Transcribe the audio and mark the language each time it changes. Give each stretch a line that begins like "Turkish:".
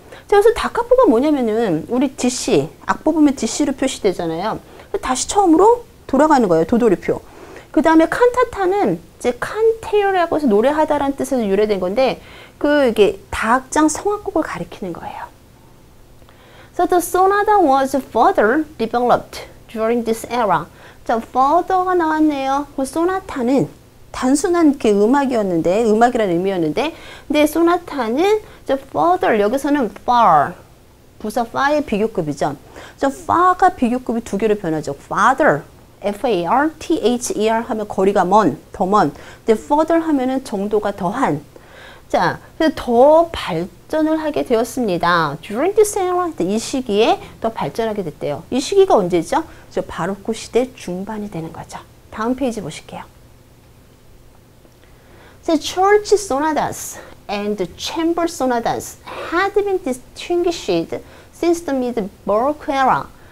Korean: 자, 그래서 다카포가 뭐냐면은 우리 DC, 악보 보면 DC로 표시되잖아요. 다시 처음으로 돌아가는 거예요, 도돌이표. 그 다음에 칸타타는 이제 칸테어라고 해서 노래하다라는 뜻에서 유래된 건데 그 이게 다악장 성악곡을 가리키는 거예요.
English: So the sonata was further developed during this era.
Korean: 자, further가 나왔네요. 그 소나타는 단순한 그 음악이었는데, 음악이라는 의미였는데, 근데 소나타는 이제 further, 여기서는 far, 부사 far의 비교급이죠. 저 far가 비교급이 두 개로 변하죠. Farther. F-A-R-T-H-E-R 하면 거리가 먼, 더 먼. 근데 further 하면은 정도가 더한. 자, 그래서 더 발전을 하게 되었습니다.
English: During this era,
Korean: 이 시기에 더 발전하게 됐대요. 이 시기가 언제죠? 저 바로크 시대 중반이 되는 거죠. 다음 페이지 보실게요.
English: The church sonatas and chamber sonatas had been distinguished since the mid-Baroque era.